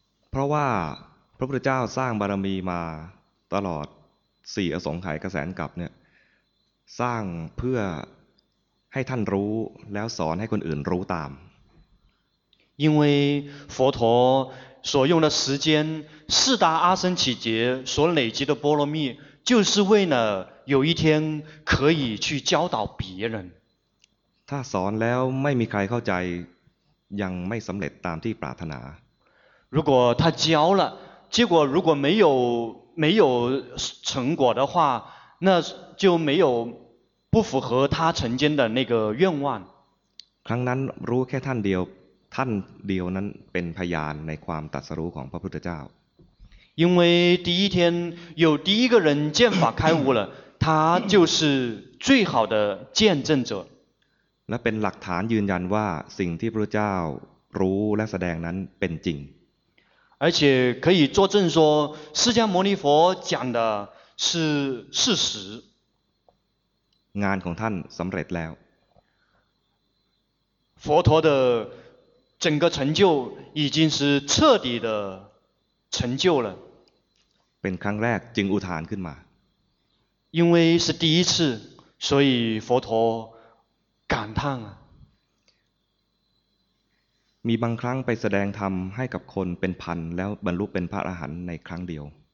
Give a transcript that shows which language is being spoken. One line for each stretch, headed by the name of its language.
Thai: เพราะว่าพระพุทธเจ้าสร้างบารมีมาตลอด4อสงไขยกระแสกับเนี่ยสร้างเพื่อให้ท่านรู้แล้วสอนให้คนอื่นรู้ตาม
Chinese: 因为佛陀所用的时间四大阿僧祇劫所累积的波罗蜜就是为了有一天可以去教导别人
Thai: ถ้าสอนแล้วไม่มีใครเข้าใจยังไม่สำเร็จตามที่ปรารถนา
Chinese: 如果他教了结果如果没有成果的话那就没有不符合他曾经的那个愿望
Thai: ครั้งนั้นรู้แค่ท่านเดียวท่านเดียวนั้นเป็นพยานในความตรัสรู้ของพระพุทธเจ้า
Chinese: 因为第一天有第一个人见法开悟了他就是最好的见证者
Thai: และเป็นหลักฐานยืนยันว่าสิ่งที่พระเจ้ารู้และแสดงนั้นเป็นจริง
Chinese: 而且可以作证说释迦牟尼佛讲的是事实
Thai: งานของท่านสำเร็จแล้ว
Chinese: 佛陀的整个成就已经是彻底的成就了
Thai: เป็นครั้งแรกจึงอุทานขึ้นมา
Chinese: 因为是第一次所以佛陀感叹啊
Thai: มีบางครั้งไปแสดงธรรมให้กับคนเป็นพันแล้วบรรลุเป็นพระอรหันต์ในครั้งเดียว